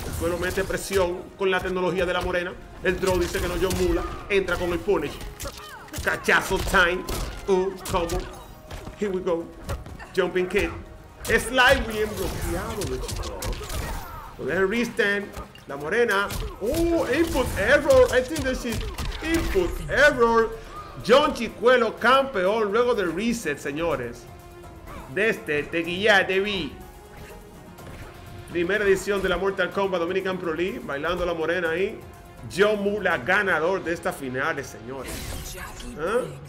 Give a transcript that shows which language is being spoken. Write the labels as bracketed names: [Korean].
[Spanish] El cuero mete presión con la tecnología de la morena. El draw dice que no, John Mula. Entra con el punish. Cachazo time. Combo. [English] Here we go. Jumping kick. [Spanish] Sly bien bloqueado, de chico. Lo deja el restand. La morena. Input error. [English] I think this is input error. [Spanish] John Chicuelo, campeón luego del reset, señores. Desde Teguilla TV. Primera edición de la Mortal Kombat Dominican Pro League. Bailando la morena ahí. Joe Mula, ganador de esta final, señores. ¿Ah?